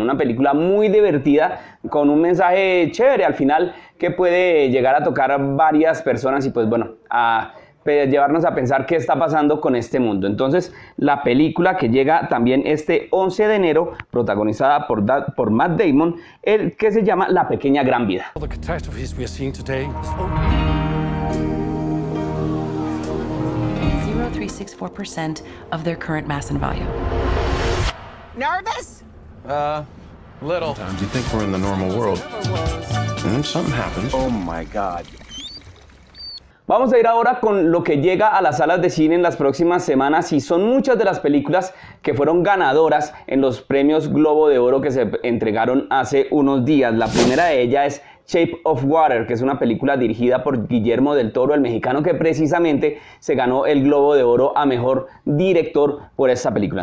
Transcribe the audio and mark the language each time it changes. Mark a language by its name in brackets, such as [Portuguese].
[Spanish] Una película muy divertida con un mensaje chévere al final que puede llegar a tocar a varias personas y pues bueno, a... llevarnos a pensar qué está pasando con este mundo. Entonces, la película que llega también este 11 de enero, protagonizada por Matt Damon, el que se llama La Pequeña Gran Vida. [English] All the catastrophes we are seeing today. 0.364% of their current mass and volume. Nervous? Little. Sometimes you think we're in the normal world. And then something happens. Oh my God. [Spanish] Vamos a ir ahora con lo que llega a las salas de cine en las próximas semanas y son muchas de las películas que fueron ganadoras en los premios Globo de Oro que se entregaron hace unos días. La primera de ellas es Shape of Water, que es una película dirigida por Guillermo del Toro, el mexicano que precisamente se ganó el Globo de Oro a Mejor Director por esta película.